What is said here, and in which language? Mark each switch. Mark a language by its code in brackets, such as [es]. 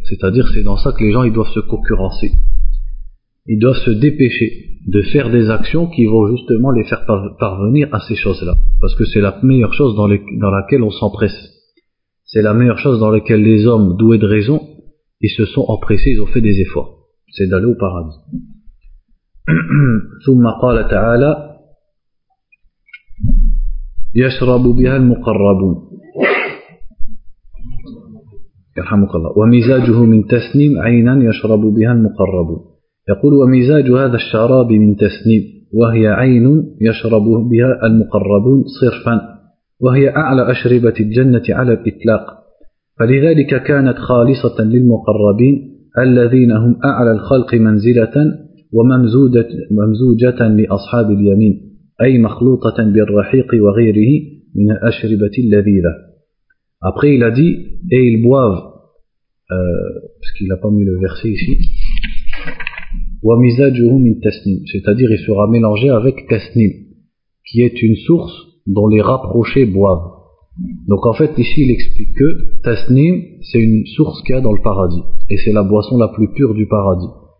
[fr] C'est-à-dire, c'est dans ça que les gens, ils doivent se concurrencer. Ils doivent se dépêcher de faire des actions qui vont justement les faire parvenir à ces choses-là. Parce que c'est la meilleure chose dans laquelle on s'empresse. C'est la meilleure chose dans laquelle les hommes doués de raison, ils se sont empressés, ils ont fait des efforts. C'est d'aller au paradis. [ar] ثُمَّ قَالَ تَعَالَى يَشْرَبُ بِهَا الْمُقَرَّبُونَ يرحمك الله ومزاجه من تسنيم عينا يشرب بها المقربون يقول ومزاج هذا الشراب من تسنيم وهي عين يشرب بها المقربون صرفا وهي أعلى أشربة الجنة على الإطلاق فلذلك كانت خالصة للمقربين الذين هم أعلى الخلق منزلة وممزوجة لأصحاب اليمين أي مخلوطة بالرحيق وغيره من الأشربة اللذيذة. [fr] Après il a dit, et ils boivent, parce qu'il n'a pas mis le verset ici, [ar] وَمِزَاجُهُ مِنْ تَسْنِيمٍ, [fr] c'est-à-dire il sera mélangé avec تَسْنِيمٍ, qui est une source dont les rapprochés boivent. Donc en fait ici il explique que تَسْنِيمٍ c'est une source qu'il y a dans le paradis, et c'est la boisson la plus pure du paradis.